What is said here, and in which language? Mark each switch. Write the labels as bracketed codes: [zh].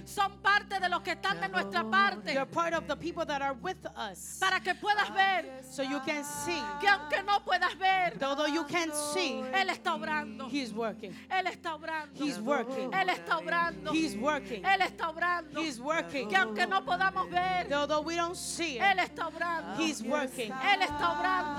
[es] Son parte de los que están de nuestra parte. [en] They're part of the people that are with us. [es] Para que puedas ver. [en] So you can see. [es] Que aunque no puedas ver. [en] Although you can't see. [es] Él está obrando. [en] He's working. [es] Él está obrando. [en] He's working. [es] Él está obrando. [en] He's working. [es] Él está obrando. [en] He's working. [es] Que aunque no podamos ver. [en] Although we don't see it. [es] Él está obrando. [en] He's working. [es] Él está obrando.